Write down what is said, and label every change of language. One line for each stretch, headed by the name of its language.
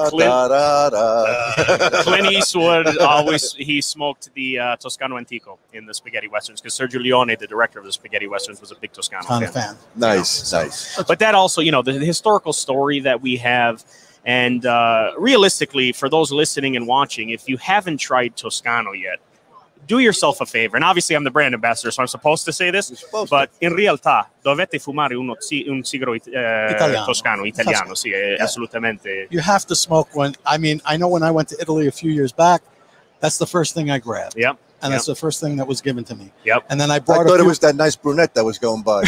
English: Clint Eastwood he smoked the Toscano Antico in the Spaghetti Westerns, because Sergio Leone, the director of the Spaghetti Westerns, was a big Toscano fan. Nice. But that also, you know, the historical story that we have. And realistically, for those listening and watching, if you haven't tried Toscano yet, do yourself a favor. And obviously, I'm the brand ambassador, so I'm supposed to say this.
Italian: In realtà, dovete fumare un sigaro Toscano, italiano. Sì, assolutamente.
English: You have to smoke one. I mean, I know when I went to Italy a few years back, that's the first thing I grabbed. Yep. And that's the first thing that was given to me. Yep. And then I brought. I thought it was that nice brunette that was going by.